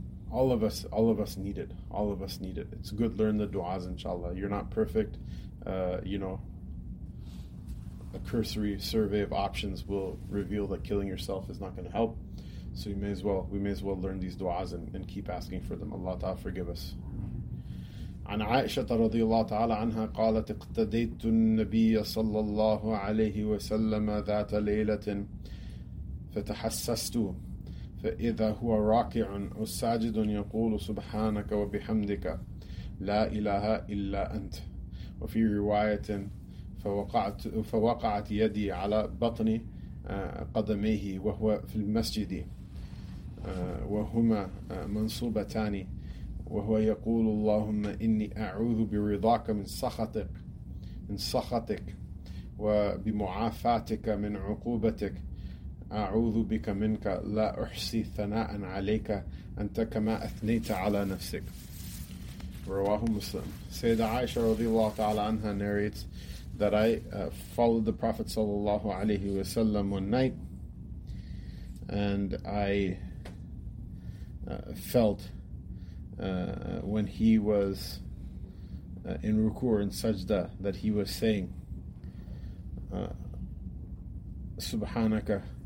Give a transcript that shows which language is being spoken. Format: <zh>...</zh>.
<en>All of us need it. All of us need it. It's good. Learn the du'as, inshallah. You're not perfect. A cursory survey of options will reveal that killing yourself is not going to help. So we may as well learn these du'as and keep asking for them. Allah ta'ala forgive us.</en> <ar>عن عائشة رضي الله تعالى عنها قالت اقتديت النبي صلى الله عليه وسلم ذات ليلة فتحسست فإذا هو راكع أو ساجد يقول سبحانك وبحمدك لا إله إلا أنت وفي رواية فوقعت يدي على بطن قدميه وهو في المسجد وهما منصوبتان وهو يقول اللهم إني أعوذ برضاك من سخطك وبمعافاتك من عقوبتك أعوذ بك منك لا أحصي ثناء عليك أنت كما أثنيت على نفسك. رواه مسلم. سيدة عائشة رضي الله تعالى عنها</ar> <en>narrates that I followed the Prophet</en> <ar>صلى الله عليه وسلم</ar> <en>one night and I felt when he was in ruku or in sajda that he was saying Subhanaka,</en>